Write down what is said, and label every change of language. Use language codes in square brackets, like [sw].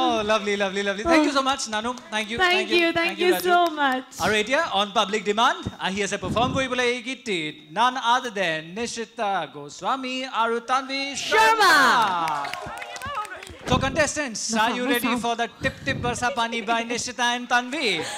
[en] Lovely lovely lovely, thank you so' much নানু, thank you, thank you, thank you so' much. [as] আৰু এতিয়া on public demand আহি আছে perform কৰিবলৈ এই গীতটিত [en] none other than [as] নিশিতা গোস্বামী আৰু তানভী Sharma. [en] So contestants, are you ready for the tip tip barsa pani by Nishita and Tanvi?